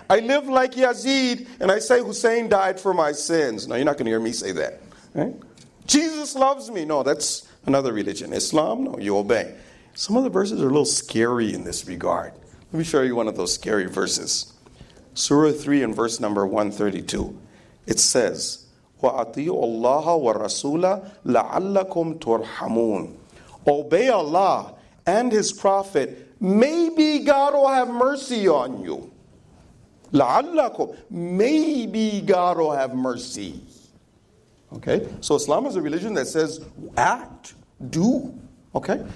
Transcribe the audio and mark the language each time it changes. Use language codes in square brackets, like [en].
[en] I live like Yazid and I say Hussein died for my sins. No, you're not going to hear me say that. Right? Jesus loves me. No, that's another religion. Islam? No, you obey. Some of the verses are a little scary in this regard. Let me show you one of those scary verses. Surah 3 and verse number 132. It says, [ar] وَأَطِيعُوا اللَّهَ وَالرَّسُولَ لَعَلَّكُمْ تُرْحَمُونَ. [en] Obey Allah and his prophet, maybe God will have mercy on you. La'allakum. Maybe God will have mercy. Okay? So Islam is a religion that says, act, do. Okay?